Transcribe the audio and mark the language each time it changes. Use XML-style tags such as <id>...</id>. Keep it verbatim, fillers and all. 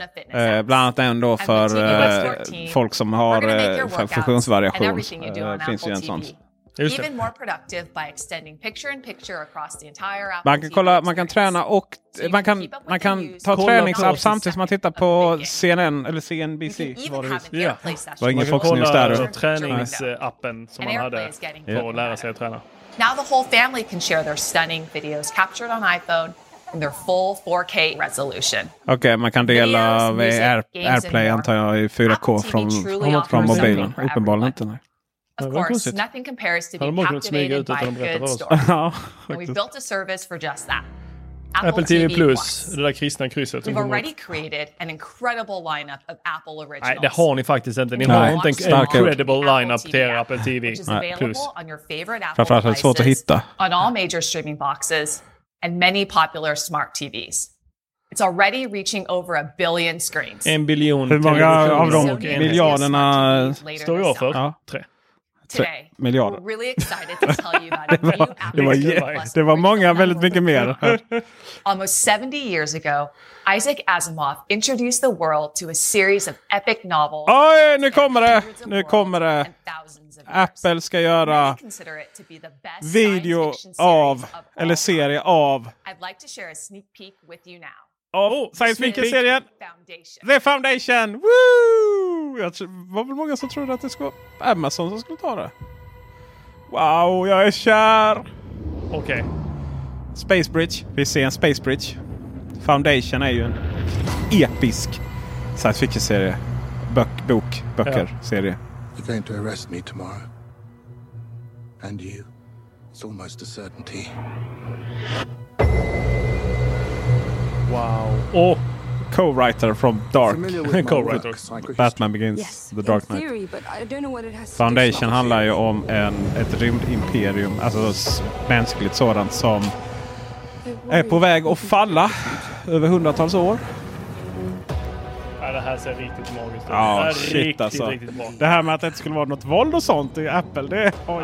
<sv>Eh, bland annat ändå för eh, folk som har eh, funktionsvariation. Eh, finns ju en sån.</sv> <en>Even more productive by extending picture in picture across the entire</en> <sv>man kan kolla, man kan träna och man kan man kan ta träningsapp samtidigt som man tittar på C N N eller C N B C var det.</sv> <en>Yeah.</en> <sv>Var ingen Fox News där träningsappen som man hade för att lära sig att träna.</sv> <en>Now the whole family can share their stunning videos captured on iPhone in their full four K resolution.</en> <sv>Okej, okay, man kan dela Air, AirPlay antar jag i four K från från mobilen. Uppenbarligen inte nej.</sv> <en>Of course, nothing compares to being captivated by a good story. And we've built a service for just that.</en> <sv>Apple, Apple T V Plus, det där kristna krysset.</sv> <en>We've already created an incredible lineup of Apple originals.</en> <sv>Nej, det har ni faktiskt inte. Ni har inte en</sv> <en>incredible lineup</en> <sv>till Apple T V Plus. Framförallt är det svårt att hitta.</sv> <en>On all major streaming boxes and many popular smart T Vs. It's already reaching over a billion screens.</en> <sv>En biljon. Hur många av de miljarderna står jag för? Ja. Tre. Miljarder. Really det, var, det, var, det var många, väldigt mycket mer.</sv> <en>Almost seventy years ago, Isaac Asimov introduced the world to a series of epic novels.</en> <sv>Oj, nu kommer det! Nu kommer det! Apple ska göra video av, eller serie av.</sv> <en>I'd like to share a sneak peek with you now.</en> <sv>Oh, science fiction-serien The Foundation. Woo! Jag tror, var väl många som trodde att det skulle vara Amazon som skulle ta det. Wow, jag är kär. Okej. Okay. Space Bridge. Vi ser en Space Bridge. Foundation är ju en episk science fiction-serie. Bök, bok, böcker, ja. Serie.</sv> <en>You're going to arrest me tomorrow. And you. It's almost a certainty. Wow. Oh, co-writer from Dark. Co-writer. Batman Begins, yes, The Dark Knight. Theory, but I don't know what it has</en> <sv>Foundation handlar ju om en, ett rymdimperium. Alltså mänskligt sådant som är på väg att falla över hundratals år. Ja, det här ser riktigt magiskt ut. Ja, det shit riktigt, alltså. Riktigt det här med att det inte skulle vara något våld och sånt i Apple, det oj.</sv>